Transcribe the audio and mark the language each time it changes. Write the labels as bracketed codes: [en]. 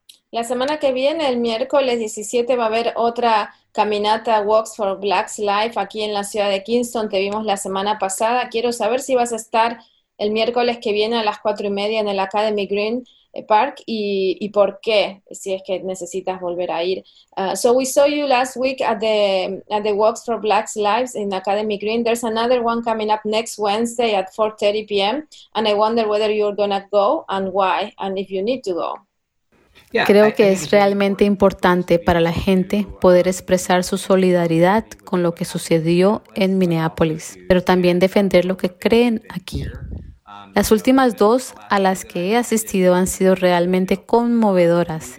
[es] La semana que viene, el miércoles 17, va a haber otra caminata Walks for Black Lives aquí en la ciudad de Kingston. Te vimos la semana pasada. Quiero saber si vas a estar el miércoles que viene a las 4:30 en el Academy Green Park y por qué, si es que necesitas volver a ir. [en] So we saw you last week at the Walks for Black Lives in Academy Green. There's another one coming up next Wednesday at 4:30 p.m. and I wonder whether you're gonna go and why and if you need to go. [es] Creo que es realmente importante para la gente poder expresar su solidaridad con lo que sucedió en Minneapolis, pero también defender lo que creen aquí. Las últimas dos a las que he asistido han sido realmente conmovedoras.